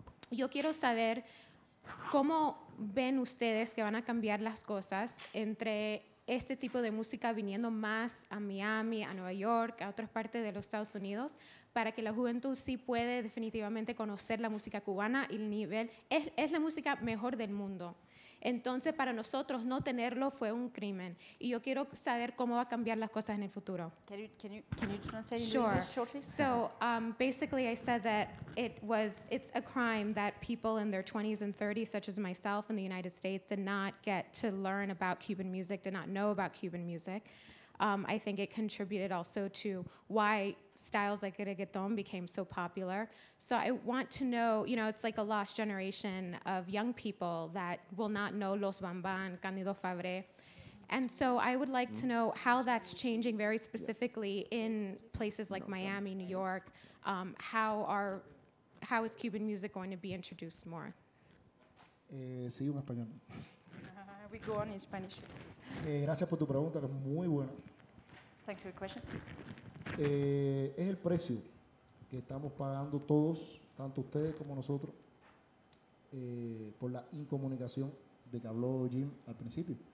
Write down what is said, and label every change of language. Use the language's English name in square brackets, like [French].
[Spanish] Yo quiero saber cómo ven ustedes que van a cambiar las cosas entre este tipo de música viniendo más a Miami, a Nueva York, a otras partes de los Estados Unidos, para que la juventud sí puede definitivamente conocer la música cubana y el nivel, es la música mejor del mundo. Entonces, para nosotros no tenerlo fue un crimen. Y yo quiero saber cómo va a cambiar las cosas en el futuro. [English] Can you translate sure. into English shortly? So, basically I said that it's a crime that people in their 20s and 30s, such as myself in the United States, did not get to learn about Cuban music, did not know about Cuban music. I think it contributed also to why styles like reggaeton became so popular. So I want to know, you know, it's like a lost generation of young people that will not know Los Bamban, Cándido Fabre. And so I would like to know how that's changing very specifically yes. in places like Miami, New York. How is Cuban music going to be introduced more? [Spanish] Sí, un español. [English] We go on in Spanish. [Spanish] Gracias por tu pregunta, que es muy buena. [English] Thanks for your question. [Spanish] Es el precio que estamos pagando todos, tanto ustedes como nosotros, por la incomunicación de que habló Jim al principio.